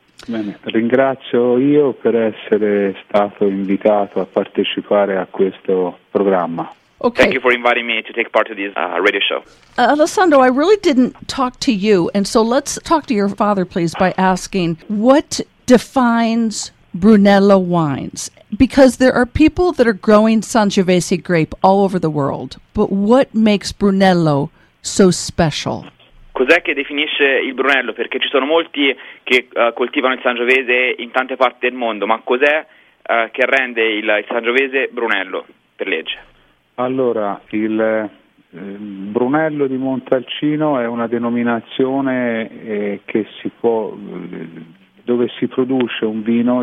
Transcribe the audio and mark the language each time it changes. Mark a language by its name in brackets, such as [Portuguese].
[Italian] Bene, ringrazio io per essere stato invitato a partecipare a questo programma. [English] Okay. Thank you for inviting me to take part of this radio show. Alessandro, I really didn't talk to you, and so let's talk to your father, please, by asking, what defines Brunello wines? Because there are people that are growing Sangiovese grape all over the world, but what makes Brunello so special? [Italian] Cos'è che definisce il Brunello? Perché ci sono molti che coltivano il Sangiovese in tante parti del mondo, ma cos'è che rende il Sangiovese Brunello per legge? Allora, il Brunello di Montalcino è una denominazione che si può, dove si produce un vino.